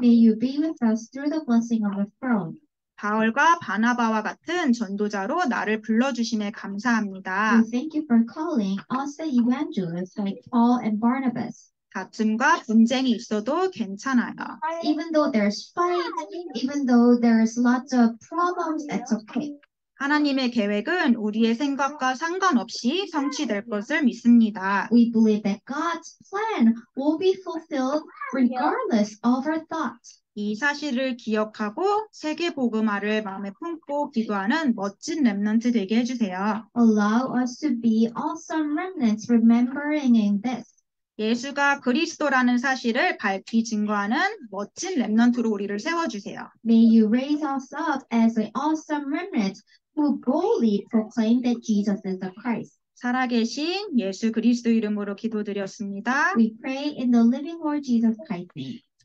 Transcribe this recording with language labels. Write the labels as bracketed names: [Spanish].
[English] May you be with us through the blessing of the throne. [Korean] 바울과 바나바와 같은 전도자로 나를 불러주심에 감사합니다. [English] We thank you for calling us the evangelists like Paul and Barnabas. [Korean] 다툼과 분쟁이 있어도 괜찮아요. [English] Even though there's fight, even though there's lots of problems, it's okay. [Korean] 하나님의 계획은 우리의 생각과 상관없이 성취될 것을 믿습니다. [English] We believe that God's plan will be fulfilled regardless of our thoughts. [Korean] 이 사실을 기억하고 세계복음화를 마음에 품고 기도하는 멋진 렘넌트 되게 해주세요. [English] Allow us to be awesome remnants remembering in this. [Korean] 예수가 그리스도라는 사실을 밝히 증거하는 멋진 렘넌트로 우리를 세워주세요. [English] May you raise us up as an awesome remnant who boldly proclaim that Jesus is the Christ. [Korean] 살아계신 예수 그리스도 이름으로 기도드렸습니다. [English] We pray in the living Lord Jesus Christ's name.